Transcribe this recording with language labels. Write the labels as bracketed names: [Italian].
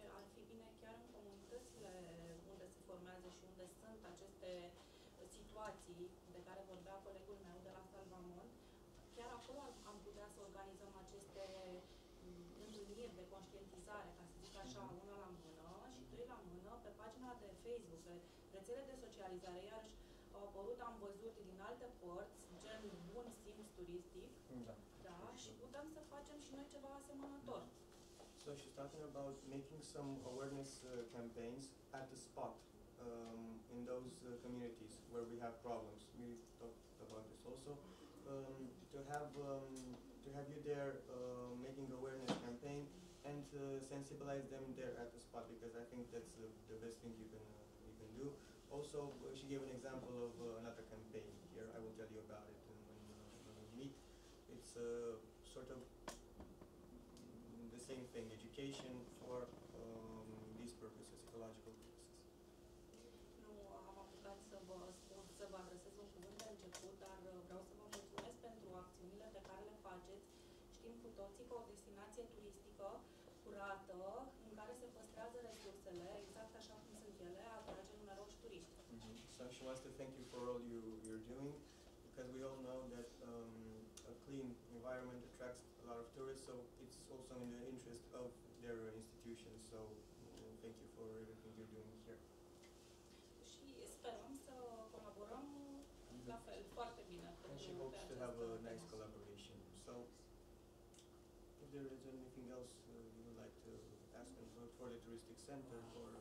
[Romanian] Ar fi bine chiar în comunitățile unde se formează și unde sunt aceste situații de care vorbea colegul meu de la Salvamont, chiar acolo am putea să organizăm aceste întâlniri de conștientizare, ca să zic așa, una la mână și doi la mână, pe pagina de Facebook, pe rețele de socializare, iarăși au apărut, am văzut din alte părți, gen bun simț turistic, da, și putem să facem și noi ceva asemănător. [English] So she's talking about making some awareness campaigns at the spot. In those communities where we have problems, we talked about this also. To have you there making awareness campaign and to sensibilize them there at the spot, because I think that's the best thing you can do. Also, she gave an example of another campaign here. I will tell you about it when we meet. It's a sort of the same thing: education for these purposes, ecological purposes. [Romanian] Am apucat să vă spun, să vă adresez un cuvânt de început, dar vreau să vă mulțumesc pentru acțiunile pe care le faceți. Știm cu toții că o destinație turistică curată, în care se păstrează resursele, exact așa cum sunt ele, atrage numeroși turiști. Mm-hmm. [English] So she wants to thank you for all you're doing, because we all know that a clean environment attracts a lot of tourists, so it's also in the interest of their institutions. So thank you for everything you're doing here. [Romanian] Sperăm să colaborăm la fel, foarte bine. [English] And she hopes to have a nice collaboration. So, if there is anything else you would like to ask them for the touristic center or